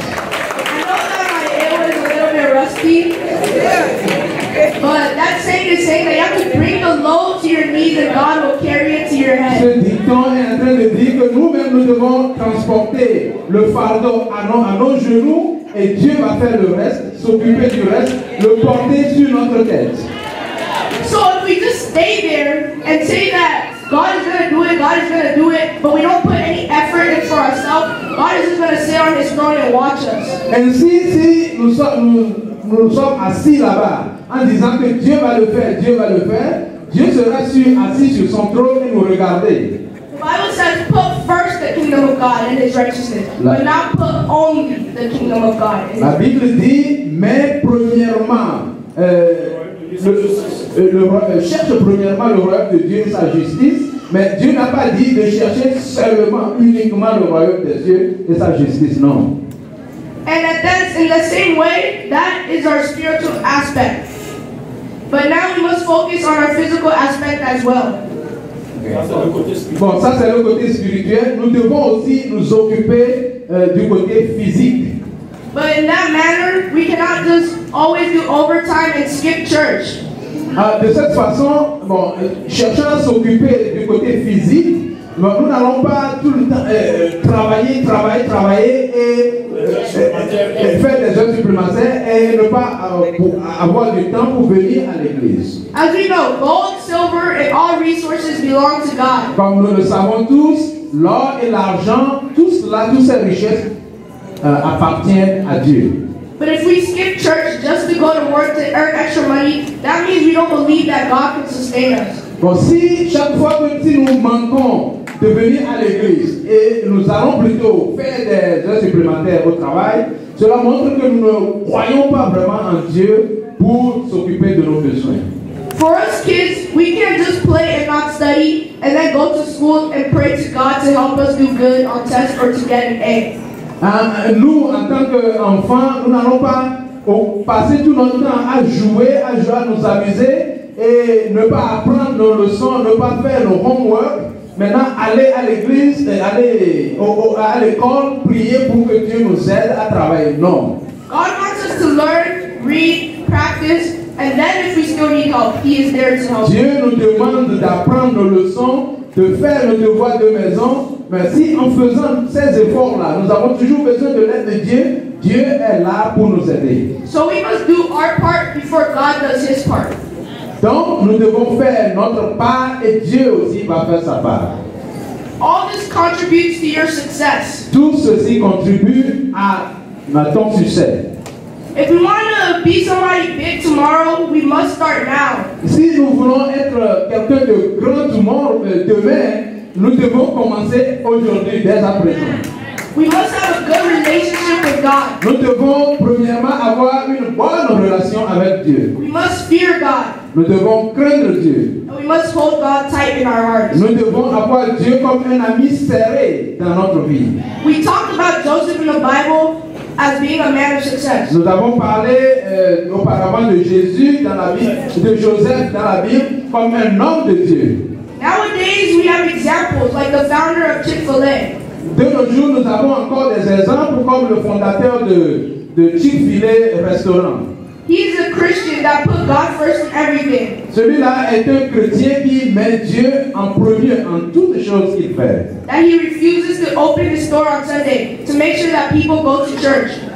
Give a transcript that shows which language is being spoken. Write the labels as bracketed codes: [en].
[en] I know that my ear is a little bit rusty. But that saying is saying that you have to bring the load to your knees and God will carry it to your head. [fr] Ce dicton est en train de dire que nous-mêmes nous devons transporter le fardeau à nos genoux et Dieu va faire le reste, s'occuper du reste, le porter sur notre tête. [en] So if we just stay there and say that God is going to do it, but we don't put any effort in for ourselves, God is just going to sit on his throne and watch us. [fr] And si nous sommes assis là-bas, en disant que Dieu va le faire, Dieu sera assis sur son trône et nous regarder. [en] The Bible says, put first the kingdom of God and his righteousness, but not put only the kingdom of God. [fr] La Bible dit, mais premièrement, cherche premièrement le royaume de Dieu et sa justice, mais Dieu n'a pas dit de chercher seulement, uniquement le royaume de Dieu et sa justice, non. [en] And that's in the same way, that is our spiritual aspect. But now we must focus on our physical aspect as well. [fr] Bon, ça c'est le côté spirituel. Nous devons aussi nous occuper du côté physique. [en] But in that manner, we cannot just always do overtime and skip church. [fr] De cette façon, bon, cherchons à s'occuper du côté physique, mais nous n'allons pas tout le temps travailler et faire des heures supplémentaires et ne pas avoir du temps pour venir à l'église. [en] As we know, gold, silver, and all resources belong to God. [fr] Comme nous le savons tous, l'or et l'argent, tout cela, toutes ces richesses appartiennent à Dieu. [en] But if we skip church just to go to work to earn extra money, that means we don't believe that God can sustain us. [fr] Bon, si chaque fois que si nous manquons de venir à l'église et nous allons plutôt faire des heures supplémentaires au travail, cela montre que nous ne croyons pas vraiment en Dieu pour s'occuper de nos besoins. [en] For us kids, we can't just play and not study and then go to school and pray to God to help us do good on tests or to get an A. [fr] Nous, en tant qu'enfants, nous n'allons pas passer tout notre temps à jouer, à nous amuser et ne pas apprendre nos leçons, ne pas faire nos homework. Maintenant, aller à l'église, aller à l'école, prier pour que Dieu nous aide à travailler. Non. [en] God wants us to learn, read, practice, and then if we still need help, He is there to help. [fr] Dieu nous demande d'apprendre nos leçons, de faire nos devoirs de maison. Mais si en faisant ces efforts-là, nous avons toujours besoin de l'aide de Dieu, Dieu est là pour nous aider. [en] So we must do our part before God does his part. [fr] Donc nous devons faire notre part et Dieu aussi va faire sa part. [en] All this contributes to your success. [fr] Tout ceci contribue à ton succès. [en] If we want to be somebody big tomorrow, we must start now. [fr] Si nous voulons être quelqu'un de grand [en] tomorrow, [fr] demain, nous devons commencer aujourd'hui, dès à présent. [en] We must have a good relationship with God. [fr] Nous devons premièrement avoir une bonne relation avec Dieu. [en] We must fear God. [fr] Nous devons craindre Dieu. [en] And we must hold God tight in our hearts. [fr] Nous devons avoir Dieu comme un ami serré dans notre vie. [en] We talked about Joseph in the Bible as being a man of success. [fr] Nous avons parlé auparavant de Jésus dans la Bible, de Joseph dans la Bible comme un homme de Dieu. [en] Nowadays we have examples like the founder of Chick-fil-A. [fr] De nos jours, nous avons encore des exemples comme le fondateur de Chick-fil-A restaurant. [en] He's a Christian that put God first in everything. [fr] Celui-là est un chrétien qui met Dieu en premier en toutes les choses qu'il fait. [en] That he refuses to open his store on Sunday to make sure that people go to church.